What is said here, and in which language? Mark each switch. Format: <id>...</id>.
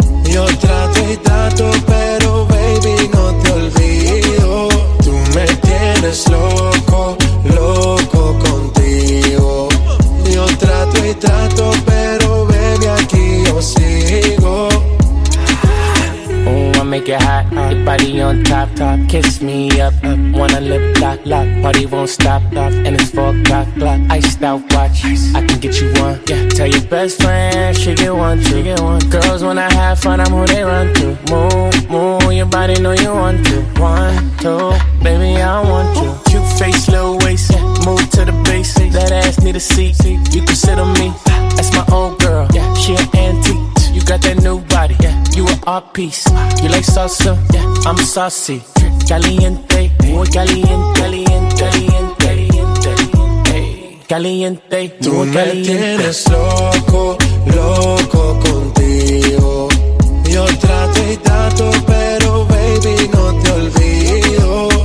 <es>Yo trato y trato, pero baby, no te olvido. Tú me tienes loco, loco contigo. Yo trato y trato, pero baby, aquí yo sigo.</es> <en>Make it hot, your body on top, top. Kiss me up, up. Wanna lip lock, lock. Party won't stop, stop. And it's 4 o'clock, iced out watch. Ice. I can get you one, yeah. Tell your best friend she get one, she get one. Girls wanna have fun, I'm who they run to. Move, move, your body know you want to. One, two, baby I want you. Cute face, low waist, yeah. Move to the bass. That ass need a seat, you can sit on me. That's my old girl, yeah. She an antique. You got that new body, yeah. You an art piece. You like salsa, yeah. I'm saucy.</en> <es>Caliente, muy caliente, caliente, caliente, caliente, caliente. Tú me tienes loco, loco contigo. Yo trato y trato, pero baby no te olvido.</es>